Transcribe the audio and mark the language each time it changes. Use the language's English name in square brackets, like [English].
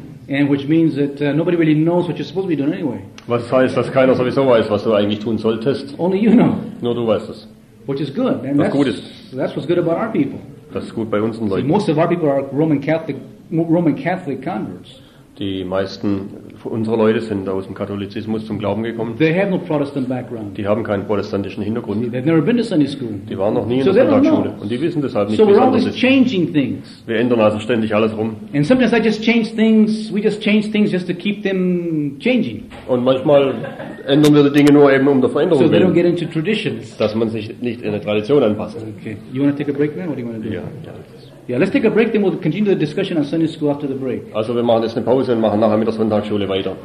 [English] And which means that nobody really knows what you're supposed to be doing anyway. [German] Was heißt, dass keiner sowieso weiß, was du eigentlich tun solltest? [English] Only you know. [German] Nur du weißt es. [English] Which is good. [German] And was gut ist. [English] That's what's good about our people. [German] Das ist gut bei unseren Leuten. [English] See, most of our people are Roman Catholic converts. [German] Die meisten unserer Leute sind aus dem Katholizismus zum Glauben gekommen. [English] They have no Protestant background. [German] Die haben keinen protestantischen Hintergrund. [English] See, they've never been to Sunday school. [German] Die waren noch nie in der Sonntagsschule. Und die wissen deshalb nicht, [English] so we're always changing things. [German] Wir ändern also ständig alles rum. [English] And sometimes I just change things. We just change things just to keep them changing. [German] Und manchmal ändern wir die Dinge nur eben um der Veränderung willen. [English] So they don't get into traditions. [German] Dass man sich nicht in eine Tradition anpasst. [English] Okay. You want to take a break now? What do you want to do? Yeah. Yeah, let's take a break, then we'll continue the discussion on Sunday school after the break. [German] Also, wir machen jetzt eine Pause und machen nachher mit der Sonntagsschule weiter.